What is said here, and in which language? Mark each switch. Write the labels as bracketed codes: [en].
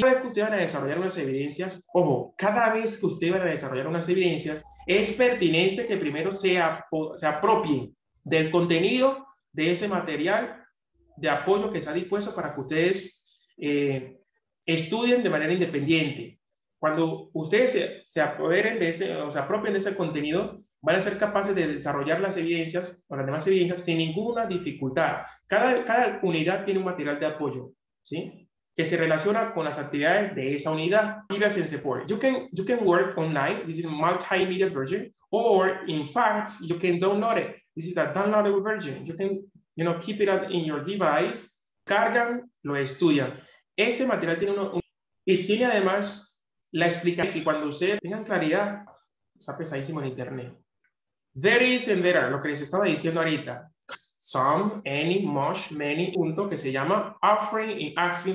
[es] Cada vez que ustedes van a desarrollar unas evidencias, ojo, cada vez que ustedes van a desarrollar unas evidencias, es pertinente que primero se apropien del contenido de ese material de apoyo que está dispuesto para que ustedes estudien de manera independiente. Cuando ustedes se apoderen de ese, o se apropien de ese contenido, van a ser capaces de desarrollar las evidencias o las demás evidencias sin ninguna dificultad. Cada unidad tiene un material de apoyo, ¿sí? Que se relaciona con las actividades de esa unidad. [en] You can work online, this is a multimedia version, or in fact, you can download it, this is a downloadable version. You can, keep it up in your device. [es] Cargan, lo estudian. Este material tiene y tiene además la explicación que cuando ustedes tengan claridad, está pesadísimo en internet. [en] There is and there are, [es] lo que les estaba diciendo ahorita. [en] Some, any, much, many, [es] punto, que se llama [en] offering and asking.